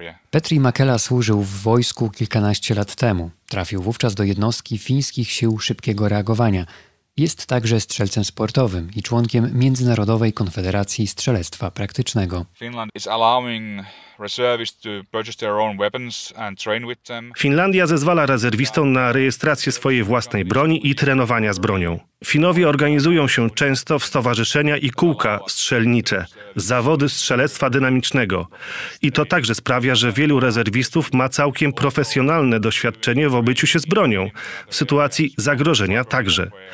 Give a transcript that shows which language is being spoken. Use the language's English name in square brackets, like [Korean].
[Polish] Petri Makela służył w wojsku kilkanaście lat temu. Trafił wówczas do jednostki fińskich sił szybkiego reagowania. Jest także strzelcem sportowym i członkiem Międzynarodowej Konfederacji Strzelectwa Praktycznego. [English] Finland is allowing reservists to purchase their own weapons and train with them. [Polish] Finlandia zezwala rezerwistom na rejestrację swojej własnej broni i trenowania z bronią. Finowie organizują się często w stowarzyszenia i kółka strzelnicze, zawody strzelectwa dynamicznego. I to także sprawia, że wielu rezerwistów ma całkiem profesjonalne doświadczenie w obyciu się z bronią, w sytuacji zagrożenia także.